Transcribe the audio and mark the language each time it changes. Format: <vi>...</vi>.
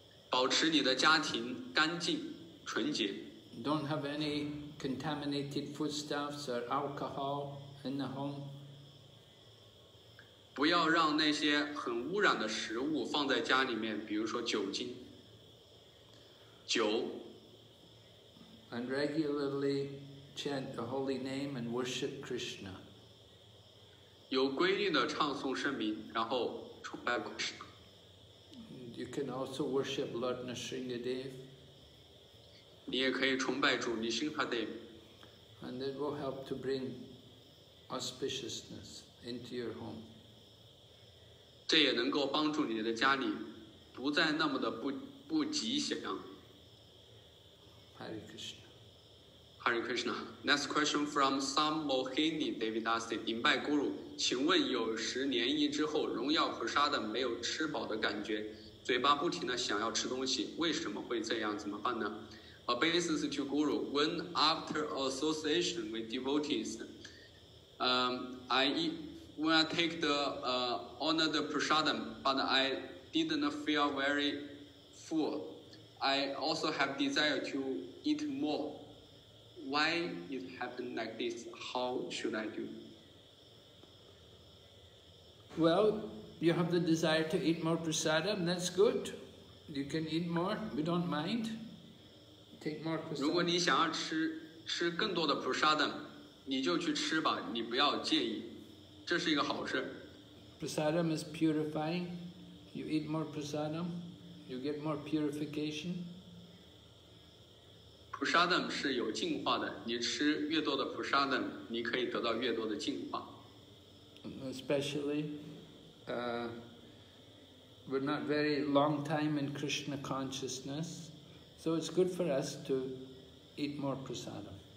<zh>保持你的家庭干净纯洁。</zh> <en>Don't have any contaminated foodstuffs or alcohol in the home.</en> <zh>不要让那些很污染的食物放在家里面，比如说酒精、酒。</zh> <en>And regularly chant the holy name and worship Krishna.</en> <zh>有规律的唱诵圣名，然后崇拜 Krishna.</zh> <en>You can also worship Lord Nrisimhadev.</en> <zh>你也可以崇拜主尼辛哈德。</zh> <en>And it will help to bring auspiciousness into your home.</en> <zh>这也能够帮助你的家里不再那么的 不吉祥。</zh> <en>Hare Krishna. Hare Krishna. Next question from Sam Mohini Devadasi.</en> <zh>顶拜 Guru, 请问有时涟漪之后荣耀和沙的没有吃饱的感觉，嘴巴不停的想要吃东西，为什么会这样，怎么办呢？</zh> <en>A basis to Guru, when after association with devotees, I honor the prasadam, but I didn't feel very full. I also have desire to eat more. Why it happened like this? How should I do? Well, you have the desire to eat more prasadam, that's good. You can eat more, we don't mind.</en> <zh>如果你想要吃更多的普沙丹，你就去吃吧，你不要介意，这是一个好事。</zh> <en>Prasadam is purifying. You eat more prasadam, you get more purification.</en> <zh>普沙丹是有净化的，你吃越多的普沙丹，你可以得到越多的净化。</zh> <en>Especially, we're not very long time in Krishna consciousness. So it's good for us to eat more prasadam.</en>